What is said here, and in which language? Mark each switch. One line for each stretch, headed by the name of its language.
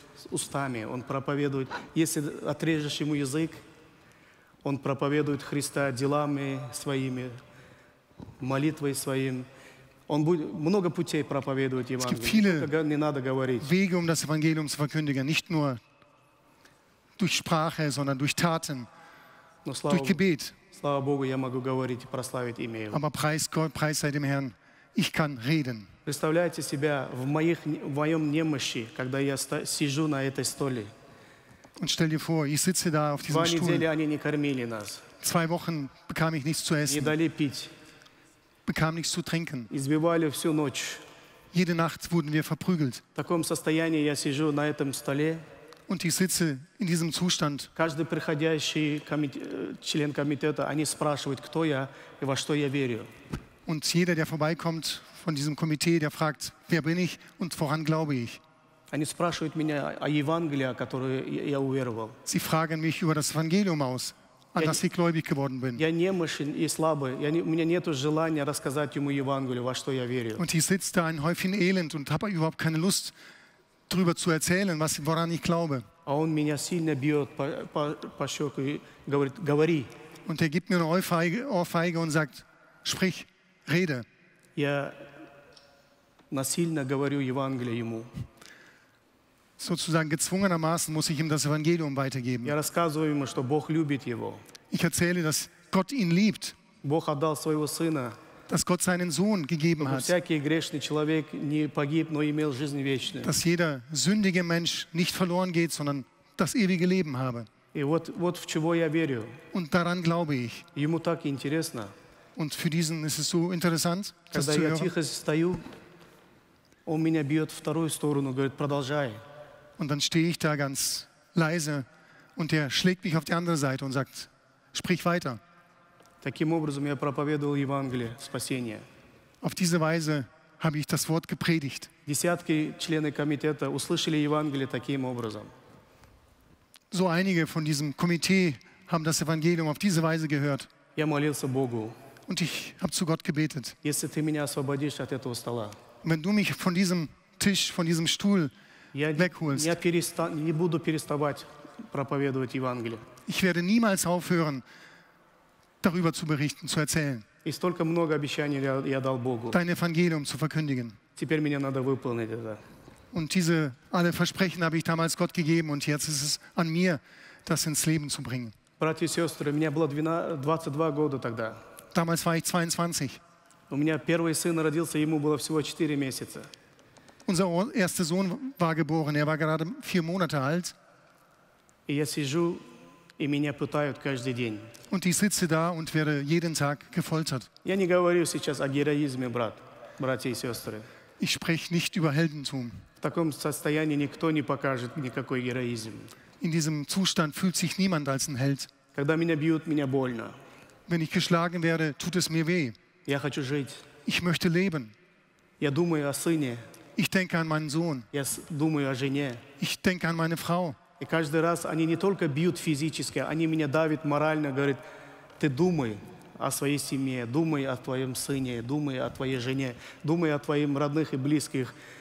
Russian: Устами, он проповедует, если отрежешь ему язык, он проповедует Христа делами своими, молитвой своим. Он будет много путей проповедовать Евангелие, только не надо говорить.
German: Wege, das Evangelium zu verkündigen, nicht nur durch Sprache, sondern durch Taten, durch Gebet.
Russian: Слава Богу, я могу говорить и прославить имя Его.
German: Aber preis Gott, preis sei dem Herrn, ich kann reden.
Russian: Представляете себя в моем немощи, когда я сижу на этой столе.
German: Und stell dir vor, ich sitze da auf diesem Stuhl.
Russian: 2 недели они не кормили нас.
German: 2 Wochen bekam ich nichts zu essen.
Russian: Не дали пить.
German: Bekam nichts zu trinken.
Russian: Избивали всю ночь.
German: Jede Nacht wurden wir verprügelt.
Russian: В таком состоянии я сижу на этом столе.
German: und ich sitze in diesem Zustand.
Russian: Каждый приходящий член комитета, они спрашивают, кто я и во что я верю.
German: Und jeder, der vorbeikommt von diesem Komitee, der fragt, wer bin ich und woran glaube ich?
Russian: Они спрашивают меня о Евангелии, которое я уверовал.
German: Sie fragen mich über das Evangelium aus, an das ich gläubig geworden bin.
Russian: Я немощен и слабый. Я не, у меня нету желания рассказать ему Евангелие, во что я верю.
German: Und ich sitze da ein Häufchen Elend und habe überhaupt keine Lust, darüber zu erzählen, was, woran ich glaube.
Russian: А он меня сильно бьет по щеку и говорит, говори.
German: Und er gibt mir eine Ohrfeige und sagt, sprich, rede.
Russian: Я насильно говорю Евангелие ему.
German: Sozusagen gezwungenermaßen muss ich ihm das Evangelium weitergeben.
Russian: Я рассказываю ему, что Бог любит его.
German: Ich erzähle, dass Gott ihn liebt.
Russian: Бог отдал своего сына.
German: Dass Gott seinen Sohn gegeben hat.
Russian: Всякий грешный человек не погиб, но имел жизнь вечную.
German: Dass jeder sündige Mensch nicht verloren geht, sondern das ewige Leben habe.
Russian: И вот, вот в чего я верю.
German: Und daran glaube ich.
Russian: Ему так интересно.
German: Und für diesen ist es so interessant, das zu hören.
Russian: Когда я тихо стою, он меня бьет в вторую сторону, говорит, продолжай.
German: Und dann stehe ich da ganz leise und er schlägt mich auf die andere Seite und sagt, sprich weiter.
Russian: Таким образом я проповедовал Евангелие спасения.
German: Auf diese Weise habe ich das Wort gepredigt.
Russian: Десятки члены комитета услышали Евангелие таким образом.
German: So einige von diesem Komitee haben das Evangelium auf diese Weise gehört.
Russian: Я молился Богу.
German: Und ich habe zu Gott gebetet.
Russian: Если ты меня освободишь от этого стола.
German: Wenn du mich von diesem Tisch, von diesem Stuhl wegholst.
Russian: Я не буду переставать проповедовать Евангелие.
German: Ich werde niemals aufhören, darüber zu berichten, zu erzählen.
Russian: И столько много обещаний я дал Богу.
German: Dein Evangelium zu verkündigen.
Russian: Теперь мне надо выполнить это.
German: Und diese alle Versprechen habe ich damals Gott gegeben und jetzt ist es an mir, das ins Leben zu bringen.
Russian: Братья и сестры, мне было 22 года тогда.
German: Damals war ich 22.
Russian: У меня первый сын родился, ему было всего 4 месяца.
German: Unser erster Sohn war geboren, er war gerade 4 Monate alt.
Russian: Я сижу, и меня пытают каждый день.
German: Und ich sitze da und werde jeden Tag gefoltert.
Russian: Я не говорю сейчас о героизме, братья и сестры.
German: Ich spreche nicht über Heldentum.
Russian: В таком состоянии никто не покажет никакой героизм.
German: In diesem Zustand fühlt sich niemand als ein Held.
Russian: Когда меня бьют, меня больно.
German: Wenn ich geschlagen werde, tut es mir weh.
Russian: Я хочу жить.
German: Ich möchte leben.
Russian: Я думаю о сыне.
German: Ich denke an meinen Sohn.
Russian: Я думаю о жене.
German: Ich denke an meine Frau.
Russian: И каждый раз они не только бьют физически, они меня давят морально, говорят, ты думай о своей семье, думай о твоем сыне, думай о твоей жене, думай о твоих родных и близких.